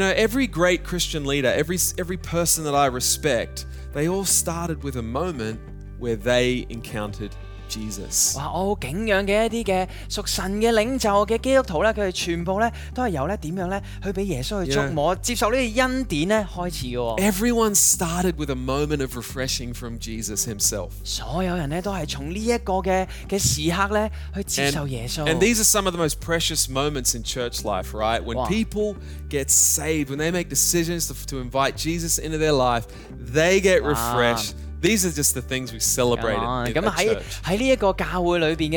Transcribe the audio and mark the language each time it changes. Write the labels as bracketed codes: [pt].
[en] know, every great Christian leader, every person that I respect, they all started with a moment where they encountered Jesus. [yue] 哇，我好敬仰嘅一啲嘅属神嘅领袖嘅基督徒咧，佢哋全部咧都系由咧点样咧去俾耶稣去触摸，接受呢啲恩典咧开始嘅。Everyone [en] started with a moment of refreshing from Jesus himself. [yue] 所有人咧都系从呢一个嘅时刻咧去接受耶稣。 [en] And these are some of the most precious moments in church life, right? When people get saved, when they make decisions to invite Jesus into their life, they get refreshed. These are just the things we celebrate in the church.